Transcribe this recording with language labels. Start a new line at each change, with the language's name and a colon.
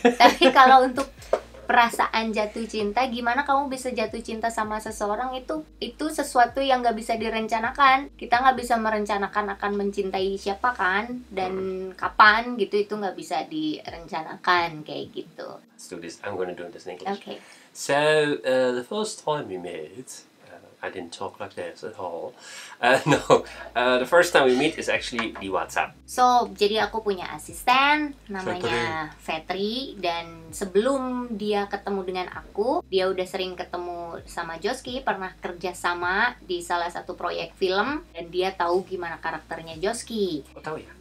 Indonesian: Tapi kalau untuk perasaan jatuh cinta, gimana kamu bisa jatuh cinta sama seseorang itu sesuatu yang nggak bisa direncanakan. Kita nggak bisa merencanakan akan mencintai siapa kan, dan kapan gitu, itu nggak bisa direncanakan kayak gitu.
English: Let's do this. I'm gonna do this in English. Okay. So the first time we met, I didn't talk like this at all. The first time we meet is actually di WhatsApp.
Indonesian: So, jadi aku punya asisten namanya Fetri, dan sebelum dia ketemu dengan aku, dia udah sering ketemu sama Joski, pernah kerja sama di salah satu proyek film, dan dia tahu gimana karakternya Joski. Oh, tahu ya?